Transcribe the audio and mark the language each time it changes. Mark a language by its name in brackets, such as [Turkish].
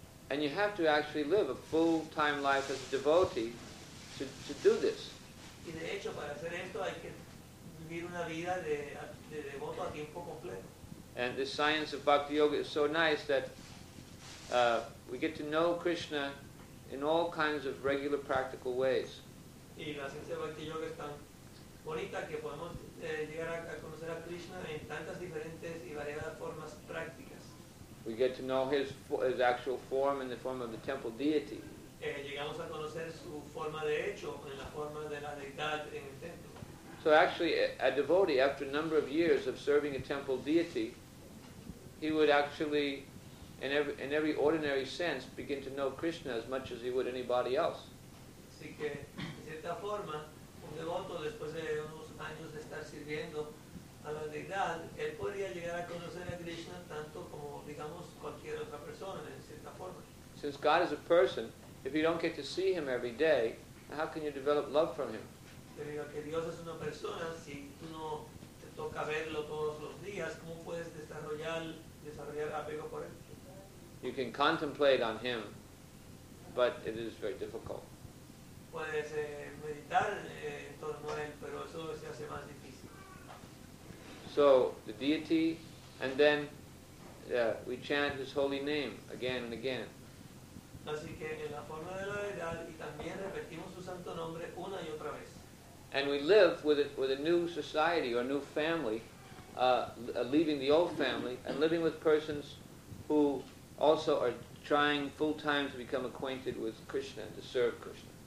[English] And you have to actually live a full-time life as a devotee to do this. [Spanish] Y de hecho, para hacer esto hay que vivir una vida de devoto a tiempo completo. [English] And this science of bhakti yoga is so nice that we get to know Krishna in all kinds of regular practical ways. [Spanish] Y la ciencia de bhakti yoga es tan bonita que podemos llegar a conocer a Krishna en tantas diferentes y variadas formas prácticas. [English] We get to know his actual form in the form of the temple deity. [Spanish] Llegamos a conocer su forma de hecho en la forma de la deidad en el templo. [English] So actually, a devotee, after a number of years of serving a temple deity, he would actually, in every ordinary sense, begin to know Krishna as much as he would anybody else. [Spanish] Así que, de cierta forma, un devoto, después de unos años de estar sirviendo a la deidad, él podría llegar a conocer a Krishna tanto como, digamos, cualquier otra persona, en cierta forma. [English] Since God is a person, if you don't get to see him every day, how can you develop love from him? [Spanish] Debido a que Dios es una persona, si tú no te toca verlo todos los días, ¿cómo puedes desarrollar apego por él? [English] You can contemplate on him, but it is very difficult. [Spanish] Puedes meditar en torno a él, pero eso se hace más difícil. [English] So, the deity, and then we chant his holy name again and again. [Spanish] Así que en la forma de la deidad y también repetimos su santo nombre una y otra vez. [English] And we live with a new society or a new family, leaving the old family and living with persons who also are trying full time to become acquainted with Krishna and to serve Krishna.